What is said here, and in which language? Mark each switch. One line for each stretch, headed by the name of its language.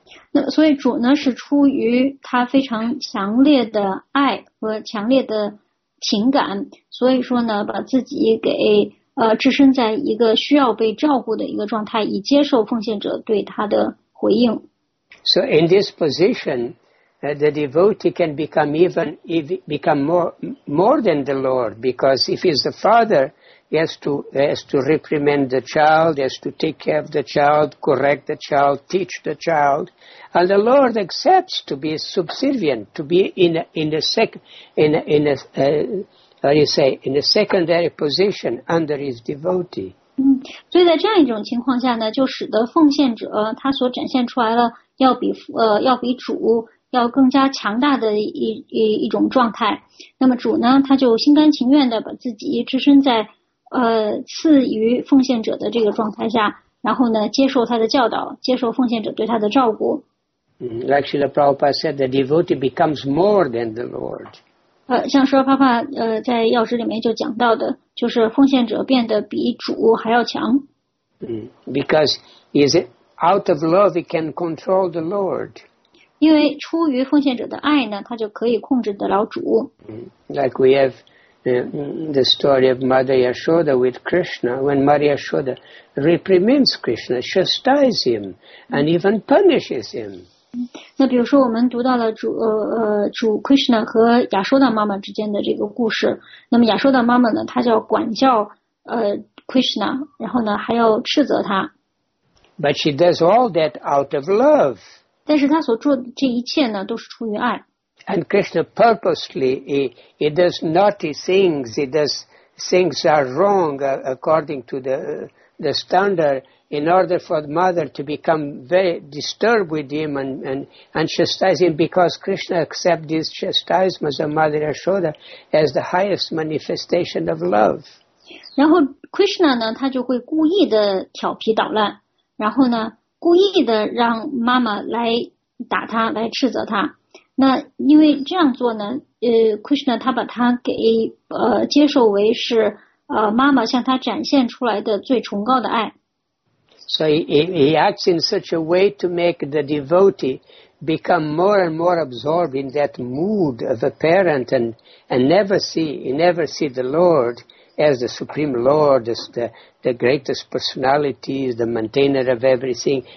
Chinese: 那所以主呢是出于他非常强烈的爱和强烈的情感，所以说呢把自己给置身在一个需要被照顾的一个状态，以接受奉献者对他的回应。
English: So in this position, the devotee can become even become more than the Lord, because if he's the Father. has to reprimand the child, has to take care of the child, correct the child, teach the child. And the Lord accepts to be subservient, to be in a secondary position under his devotee.
Chinese: 所以在这样一种情况下呢，就使得奉献者他所展现出来了要比主要更加强大的一种状态。那么主呢，他就心甘情愿的把自己置身在赐予奉献者的这个状态下，然后呢接受他的教导，接受奉献者对他的照顾。
English: Like Srila Prabhupada said, the devotee becomes more than the Lord.
Chinese: 像说Prabhupada在药师里面就讲到的，就是奉献者变得比主还要强。
English: Because is it out of love, he can control the Lord.
Chinese: 因为出于奉献者的爱呢，他就可以控制得了主。
English: Like we have the story of Mother Yashoda with Krishna, when Mother Yashoda reprimands Krishna, chastises him, and even punishes him.
Chinese: 那比如说我们读到了主 Krishna 和亚舒达妈妈之间的这个故事，那么亚舒达妈妈呢，她就要管教Krishna， 然后呢还要斥责他。
English: But she does all that out of love.
Chinese: 但是她所做的这一切呢，都是出于爱。
English: And Krishna purposely he does naughty things. He does things that are wrong according to the standard. In order for the mother to become very disturbed with him and chastise him, because Krishna accepts this chastisement of Mother Yashoda as the highest manifestation of love.
Chinese: 然后 Krishna 呢，他就会故意的调皮捣乱，然后呢，故意的让妈妈来打他，来斥责他。那因为这样做呢，Krishna 他把他给接受为是妈妈向他展现出来的最崇高的爱。
English: So he acts in such a way to make the devotee become more and more absorbed in that mood of a parent and never see the Lord as the Supreme Lord, as the greatest personality, the maintainer of everything.